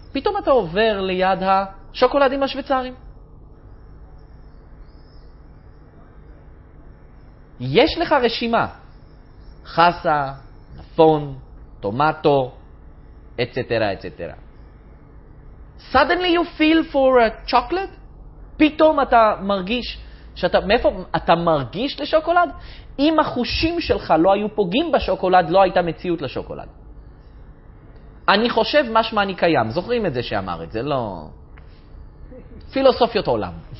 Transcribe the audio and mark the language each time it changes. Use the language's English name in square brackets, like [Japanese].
[Hebrew] פתאום אתה עובר ליד השוקולדים השוויצריים. יש לך רשימה. חסה, נפון, טומטו, אצטרה, אצטרה. [English] Suddenly you feel for a chocolate? [Hebrew] פתאום אתה מרגיש שאתה, מאיפה אתה מרגיש לשוקולד? אם החושים שלך לא היו פוגעים בשוקולד, לא הייתה מציאות לשוקולד. אני חושב משמע אני קיים. זוכרים את זה שאמר את זה? לא. פילוסופיות עולם.